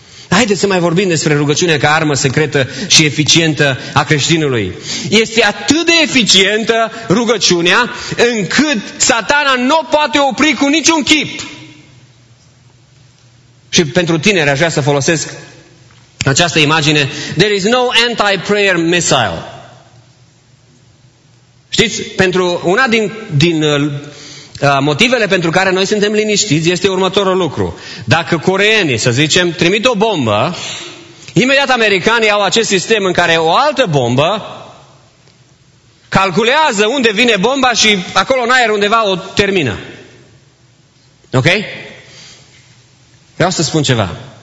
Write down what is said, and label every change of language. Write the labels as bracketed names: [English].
[Romanian] Haideți să mai vorbim despre rugăciunea ca armă secretă și eficientă a creștinului. Este atât de eficientă rugăciunea încât satana nu poate opri cu niciun chip. Și pentru tineri aș vrea să folosesc această imagine. [English] There is no anti-prayer missile. [Romanian] Știți, pentru una din motivele pentru care noi suntem liniștiți este următorul lucru. Dacă coreenii, să zicem, trimit o bombă, imediat americanii au acest sistem în care o altă bombă calculează unde vine bomba și acolo în aer undeva o termină. Ok? Vreau să spun ceva.